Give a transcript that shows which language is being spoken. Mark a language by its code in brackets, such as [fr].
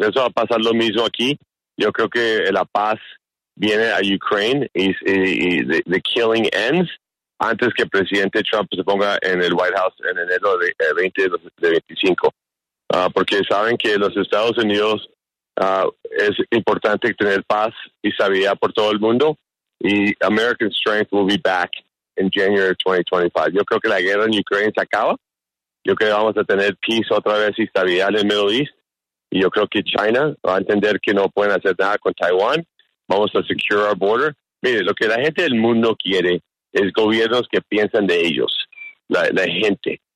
[es] Eso va a pasar lo mismo aquí. Yo creo que la paz viene a Ukraine y [en] the killing ends [es] antes que el presidente Trump se ponga en el White House en enero de 2025. Porque saben que los Estados Unidos, es importante tener paz y estabilidad por todo el mundo. [en] Y American strength will be back in January 2025. [es] Yo creo que la guerra en Ucrania se acaba. Yo creo que vamos a tener peace otra vez y estabilidad en el Middle East. Y yo creo que China va a entender que no pueden hacer nada con Taiwán. Vamos a [en] secure our border. [es] Mire, lo que la gente del mundo quiere es gobiernos que piensan de ellos, la gente.